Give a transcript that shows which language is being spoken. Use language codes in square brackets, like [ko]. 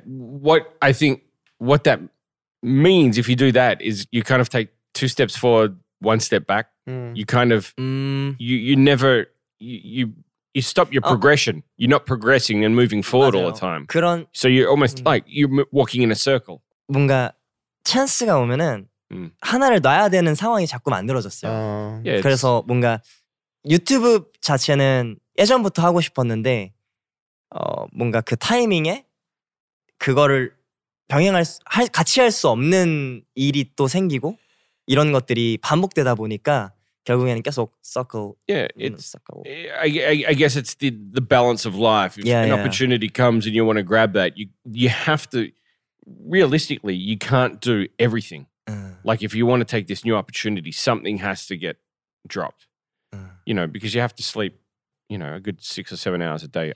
[en] What I think… What that means if you do that is you kind of take 2 steps forward, 1 step back. Mm. You kind of… Mm. You never… You you stop your progression. You're not progressing and moving forward [ko] 맞아요. [en] All the time. [ko] 그런, [en] so you're almost like you're walking in a circle. [ko] 뭔가 찬스가 오면은 하나를 놔야 되는 상황이 자꾸 만들어졌어요. [en] Yeah, [ko] 그래서 뭔가 유튜브 자체는 예전부터 하고 싶었는데 뭔가 그 타이밍에 그거를 병행할 수, 할, 같이 할 수 없는 일이 또 생기고 이런 것들이 반복되다 보니까 결국에는 계속 circle. [en] Yeah, it's circle. I guess it's the balance of life. If yeah, an opportunity yeah. comes and you want to grab that, you have to. Realistically, you can't do everything. Like if you want to take this new opportunity, something has to get dropped. You know, because you have to sleep, you know, a good 6 or 7 hours a day.